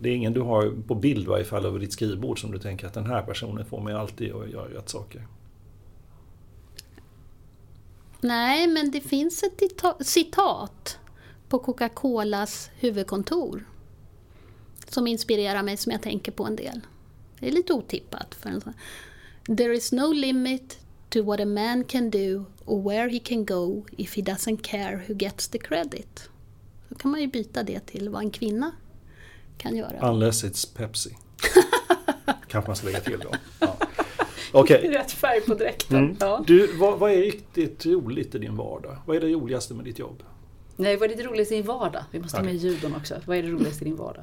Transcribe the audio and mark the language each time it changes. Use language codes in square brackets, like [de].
[sv] Det är ingen du har på bild varje fall över ditt skrivbord som du tänker att den här personen får mig alltid att göra rätt saker. Nej, men det finns ett citat på Coca-Colas huvudkontor som inspirerar mig, som jag tänker på en del. Det är lite otippat. För en sån. [en] There is no limit to what a man can do or where he can go if he doesn't care who gets the credit. [sv] Då kan man ju byta det till vad en kvinna kan göra. [en] Unless it's Pepsi. [sv] Kanske man ska lägga till då. Ja. Okay. Rätt färg på dräkten. Mm. Ja. Du, vad är riktigt roligt i din vardag? Vad är det roligaste med ditt jobb? Nej, vad är det roligaste i din vardag? Vi måste ha med ljuden också. Vad är det roligaste i din vardag?